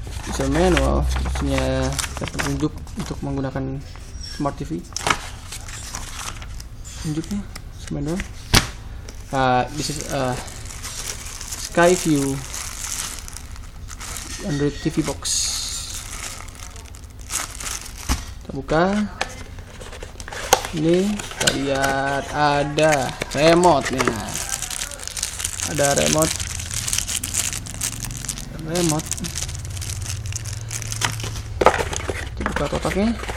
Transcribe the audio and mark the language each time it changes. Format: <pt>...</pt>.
<id>User manual. Isinya petunjuk untuk menggunakan smart TV. Petunjuknya manual.</id> <en>This is a Skyview Android TV box.</en> <id>Kita buka. Ini kita lihat ada remote-nya. Ada remote. Kita buka kotaknya.</id>